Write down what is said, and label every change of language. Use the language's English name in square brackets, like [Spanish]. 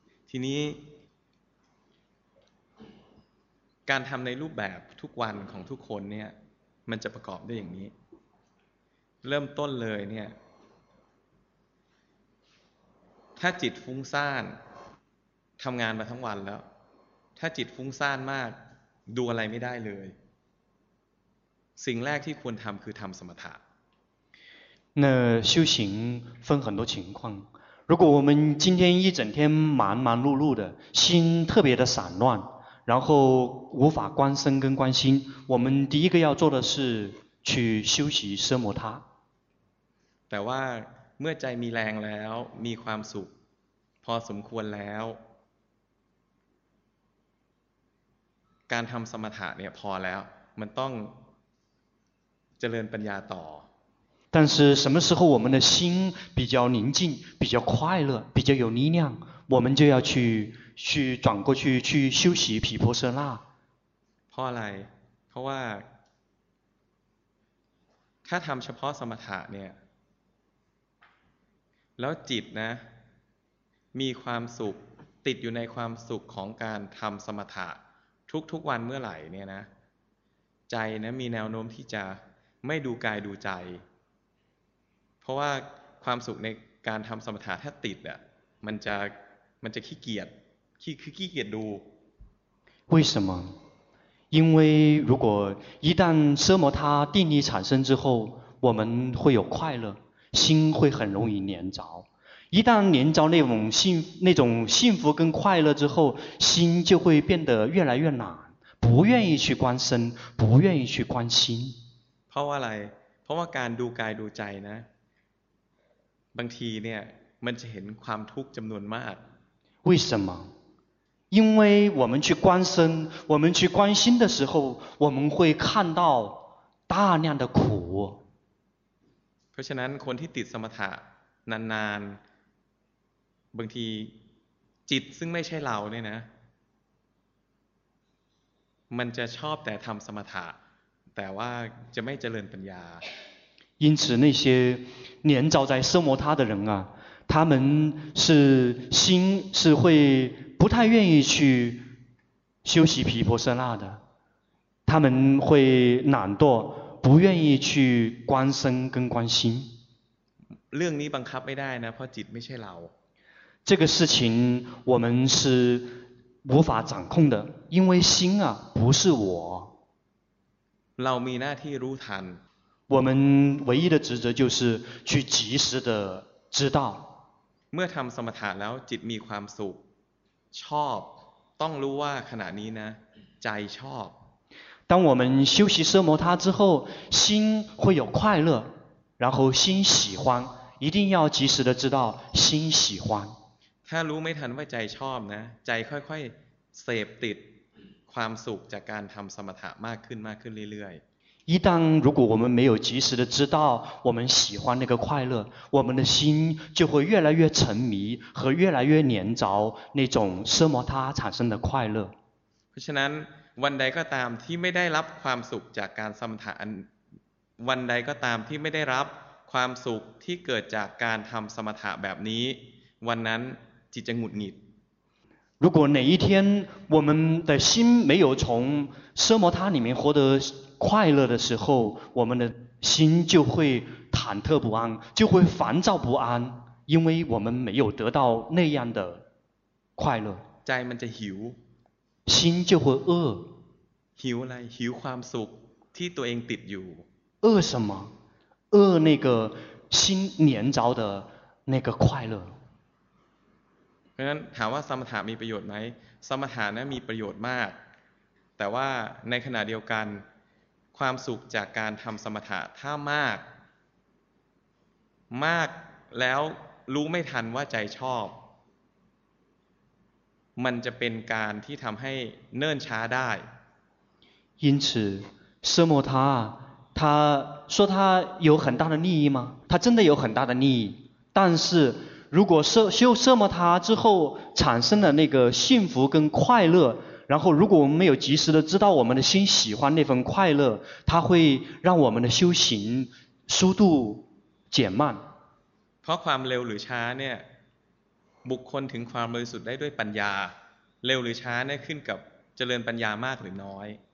[Thai] ทีนี้การทำในรูปแบบทุกวันของทุกคนเนี่ยมันจะประกอบด้วยอย่างนี้เริ่มต้นเลยเนี่ยถ้าจิตฟุ้งซ่านทำงานมาทั้งวันแล้วถ้าจิตฟุ้งซ่านมากดูอะไรไม่ได้เลยสิ่งแรกที่ควรทำคือทำสมถะ [Chinese] 那修行分很多情况如果我们今天一整天忙忙碌碌的心特别的散乱然后无法观身跟观心我们第一个要做的是去休息奢摩他 [Thai] แต่ว่าเมื่อใจมีแรงแล้วมีความสุขพอสมควรแล้วการทำสมถะเนี่ยพอแล้วมันต้องเจริญปัญญาต่อ [Chinese] 但是什么时候我们的心比较宁静比较快乐比较有力量我们就要去转过去休息毗婆舍那 [Thai] เพราะอะไรเพราะว่าถ้าทำเฉพาะสมถะเนี่ยแล้วจิตนะมีความสุขติดอยู่ในความสุขของการทำสมถะทุกๆวันเมื่อไหร่เนี่ยนะใจนะมีแนวโน้มที่จะไม่ดูกายดูใจเพราะว่าความสุขในการทำสมถะถ้าติดอ่ะมันจะขี้เกียจขี้เกียจดู [Chinese] 为什么因为如果一旦奢摩他定力产生之后我们会有快乐心会很容易粘着一旦连着那种幸福跟快乐之后心就会变得越来越懒不愿意去观身不愿意去观心 [Thai] เพราะว่าอะไรเพราะว่าการดูกายดูใจนะบางทีเนี่ยมันจะเห็นความทุกข์จำนวนมาก [Chinese] 为什么因为我们去观身我们去观心的时候我们会看到大量的苦 [Thai] เพราะฉะนั้นคนที่ติดสมถะนานๆบางทีจิตซึ่งไม่ใช่เราเนี่ยนะมันจะชอบแต่ทำสมถะแต่ว่าจะไม่เจริญปัญญา [Chinese] 因此那些黏着在奢摩他的人啊他们是心是会不太愿意去修习毗婆舍那的他们会懒惰不愿意去观身跟观心 [Thai] เรื่องนี้บังคับไม่ได้นะเพราะจิตไม่ใช่เรา [Chinese] 这个事情我们是无法掌控的因为心啊不是我 [Thai] เรามีหน้าที่รู้ทัน [Chinese] 我们唯一的职责就是去及时的知道 [Thai] เมื่อทำสมถะแล้วจิตมีความสุขชอบต้องรู้ว่าขณะนี้นะใจชอบ [Chinese] 当我们休息奢摩他之后心会有快乐然后心喜欢一定要及时的知道心喜欢 [Thai] ถ้ารู้ไม่ทันว่าใจชอบนะใจค่อยๆเสพติดความสุขจากการทำสมถะมากขึ้นมากขึ้นเรื่อย [Chinese] ๆ一旦如果我们没有及时的知道我们喜欢那个快乐我们的心就会越来越沉迷和越来越黏着那种奢摩他产生的快乐 [Thai] เพราะฉะนั้นวันใดก็ตามที่ไม่ได้รับความสุขจากการสมถะวันใดก็ตามที่ไม่ได้รับความสุขที่เกิดจากการทำสมถะแบบนี้วันนั้นจิตจะหงุดหงิด [Chinese] 如果哪一天我们的心没有从奢摩他里面获得快乐的时候我们的心就会忐忑不安就会烦躁不安因为我们没有得到那样的快乐 [Thai] ใจมันจะหิว [Chinese] 心就会饿 [Thai] หิวอะไรหิวความสุขที่ตัวเองติดอยู่ [Chinese] 饿什么饿那个心黏着的那个快乐 [Thai] เพราะฉะนั้นถามว่าสมถะมีประโยชน์ไหมสมถะนั้นมีประโยชน์มากแต่ว่าในขณะเดียวกันความสุขจากการทำสมถะถ้ามากมากแล้วรู้ไม่ทันว่าใจชอบมันจะเป็นการที่ทำให้เนิ่นช้าได้ [Chinese] 因此奢摩他他说他有很大的利益吗他真的有很大的利益但是如果修奢摩他之后产生了那个幸福跟快乐，然后如果我们没有及时的知道我们的心喜欢那份快乐，它会让我们的修行速度减慢。 [Thai] เพราะความเร็วหรือช้าเนี่ยบุคคลถึงความบริสุทธิ์ได้ด้วยปัญญาเร็วหรือช้าเนี่ยขึ้นกับเจริญปัญญามากหรือน้อย